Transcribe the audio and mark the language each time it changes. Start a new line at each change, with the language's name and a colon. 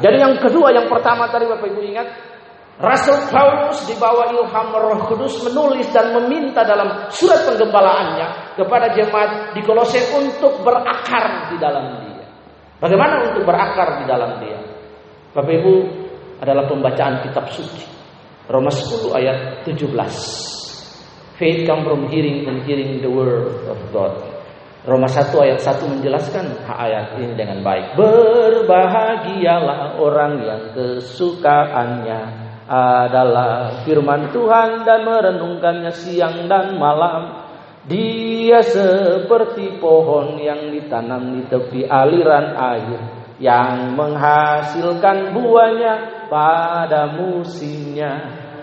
Indonesian: Jadi yang kedua, yang pertama tadi Bapak Ibu ingat, Rasul Paulus dibawa ilham Roh Kudus menulis dan meminta dalam surat penggembalaannya kepada jemaat di Kolose untuk berakar di dalam Dia. Bagaimana untuk berakar di dalam Dia? Bapak Ibu, adalah pembacaan kitab suci. Roma 10 ayat 17.
English: Faith come from hearing and hearing the word of God.
Indonesian: Roma 1 ayat 1 menjelaskan ayat ini dengan baik. Berbahagialah orang yang kesukaannya adalah firman Tuhan dan merenungkannya siang dan malam. Dia seperti pohon yang ditanam di tepi aliran air, yang menghasilkan buahnya pada musimnya.